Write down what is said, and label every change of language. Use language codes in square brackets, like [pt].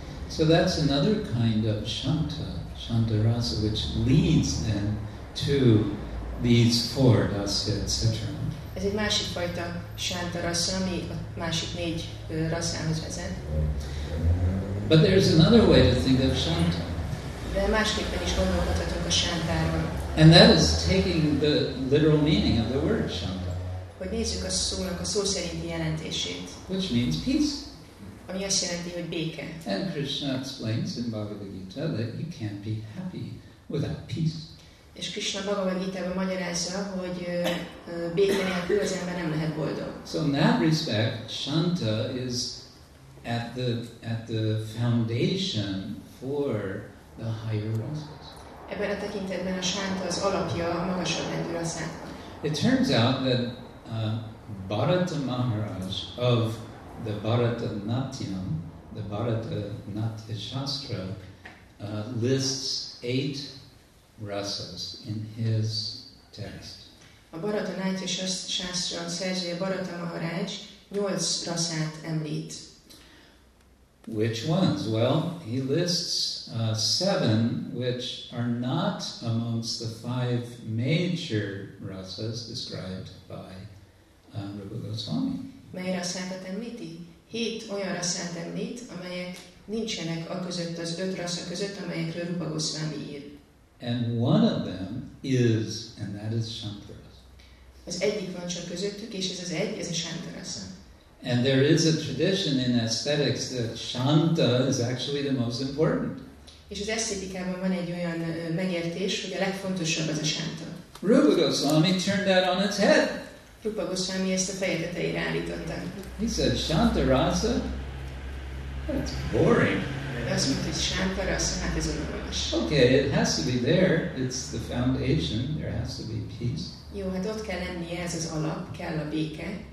[en] So that's another kind of shanta, shanta rasa, which leads then to these four dasya, etc. [hu] Ez egy másik fajta shanta rasa, ami a másik négy rasához vezet. [en] But there's another way to think of shanta. [hu] De másképpen is gondolkodhatunk a shantáról. [en] And that is taking the literal meaning of the word shanta. [hu] Hogy nézzük a szónak a szó szerinti jelentését. [en] Which means peace. [hu] Ami azt jelenti, hogy béke. [en] And Krishna explains in Bhagavad Gita that you can't be happy without peace. [hu] És Krishna Bhagavad Gita-ban magyarázza, hogy béke nélkül az ember nem lehet boldog. [en] So in that respect, shanta is at the foundation for the higher rasa. [hu] Ebben a tekintetben a shanta az alapja a magasabb rendű rasszának. [en] It turns out that Bharata Maharaj of the Bharata Natyam, the Bharata Natya Shastra, lists eight rasas in his text. [hu] A Bharata Natya Shastra szerzője Bharata Maharaj 8 rasszát említ. [en] Which ones? Well, he lists 7, which are not amongst the 5 major rasas described by Rupa Goswami. [hu] Mely rasszákat említi? 7 olyan rasszát említ, amelyek nincsenek a között, az 5 rassza között, amelyekről Rupa Goswami ír. [en] And one of them is, and that is Shantaras. [hu] Az egyik van csak közöttük, és ez az egy, ez a Shantarasa. [en] And there is a tradition in aesthetics that shanta is actually the most important. [hu] És az esztétikában van egy olyan megértés, hogy a legfontosabb az a shanta. [en] Rupa Goswami turned that on its head. [hu] Rupa Goswami ezt a feje tetejére állította. [en] He said, shanta rasa? That's boring. [hu] Azt mondta, hogy shanta rasa, hát ez unalmas. [en] Okay, it has to be there. It's the foundation. There has to be peace. [hu] Jó, hát ott kell lennie, ez az alap, kell a béke.